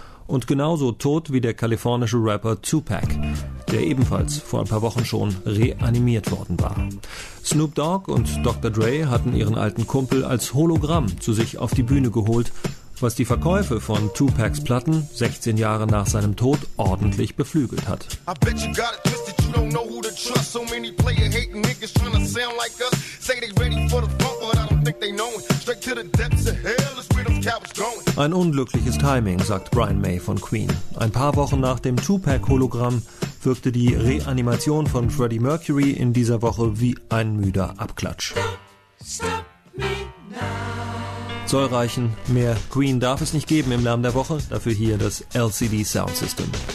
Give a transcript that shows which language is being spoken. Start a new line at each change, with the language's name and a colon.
German: Und genauso tot wie der kalifornische Rapper Tupac, der ebenfalls vor ein paar Wochen schon reanimiert worden war. Snoop Dogg und Dr. Dre hatten ihren alten Kumpel als Hologramm zu sich auf die Bühne geholt, was die Verkäufe von Tupacs Platten 16 Jahre nach seinem Tod ordentlich beflügelt hat.
English: I bet you got it twisted, you don't know who to trust. So many player-hating niggas trying to sound like us. Say they ready for the funk, but I don't think they know it. Straight to the depths of hell is where those cowards going.
German: Ein unglückliches Timing, sagt Brian May von Queen. Ein paar Wochen nach dem Tupac-Hologramm wirkte die Reanimation von Freddie Mercury in dieser Woche wie ein müder Abklatsch.
English: Stop me now.
German: Soll reichen, mehr Queen darf es nicht geben im Lärm der Woche, dafür hier das LCD Sound System.